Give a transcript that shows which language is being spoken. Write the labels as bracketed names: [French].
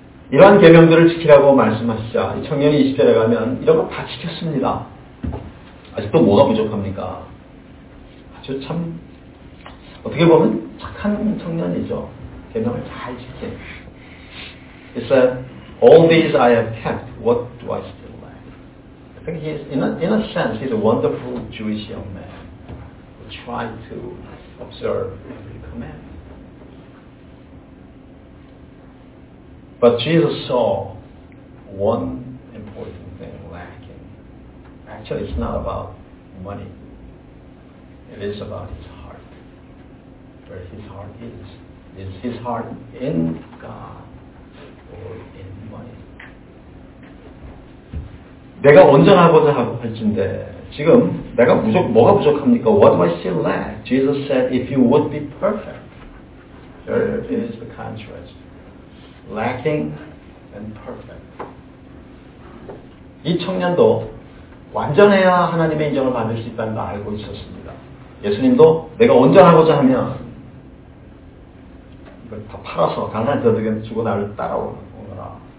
[Korean] 이러한 계명들을 지키라고 말씀하시자 이 청년이 20절에 가면 이런 거 다 지켰습니다. 아직도 뭐가 부족합니까? 아주 참 어떻게 보면 착한 청년이죠. 계명을 잘 지킨. [English] He said, All these I have kept, what do I still lack? I think he's, in a sense, he's a wonderful Jewish young man who tried to observe every command. But Jesus saw one important thing lacking. Actually, it's not about money. It is about his heart. Where his heart is. Is his heart in God or in money? [Korean] 내가 온전하고자 할 진데 지금 내가 뭐가 부족합니까? [English] What do I still lack? Jesus said, if you would be perfect, there is the contrast. Lacking and perfect. [Korean] 이 청년도 완전해야 하나님의 인정을 받을 수 있다는 걸 알고 있었습니다. 예수님도 내가 온전하고자 하면 다 팔아서 가난한 저들에게 주고 나를 따라오거라.